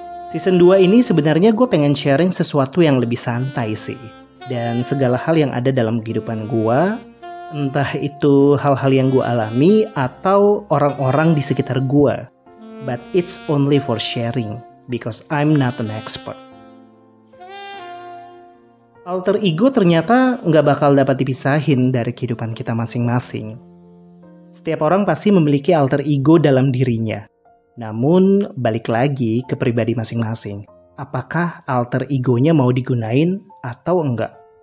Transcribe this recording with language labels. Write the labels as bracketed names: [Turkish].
[Indonesian] Season 2 ini sebenarnya gue pengen sharing sesuatu yang lebih santai sih. Dan segala hal yang ada dalam kehidupan gua, entah itu hal-hal yang gua alami atau orang-orang di sekitar gua. [English] But it's only for sharing, because I'm not an expert. [Indonesian] Alter ego ternyata nggak bakal dapat dipisahin dari kehidupan kita masing-masing. Setiap orang pasti memiliki alter ego dalam dirinya. Namun, balik lagi ke pribadi masing-masing. Apakah alter egonya mau digunain atau enggak?